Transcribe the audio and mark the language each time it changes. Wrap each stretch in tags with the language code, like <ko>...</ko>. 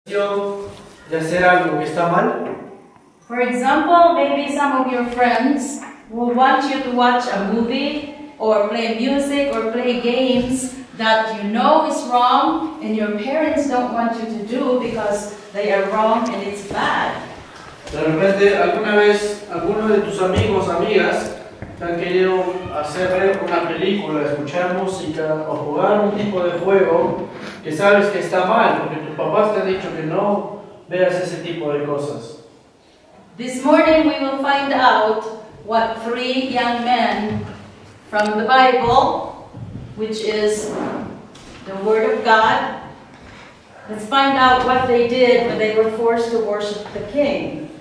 <es>de hacer algo que está mal.</es> <en>For example, maybe some of your friends will want you to watch a movie or play music or play games that you know is wrong and your parents don't want you to do because they are wrong and it's bad.</en> <es>De repente, alguna vez, alguno de tus amigos, amigas, te han querido hacer ver una película, escuchar música o jugar un tipo de juego que sabes que está mal, porque tus papás te han dicho que no veas ese tipo de cosas.</es> <en>This morning we will find out what three young men from the Bible, which is the Word of God, let's find out what they did when they were forced to worship the king.</en>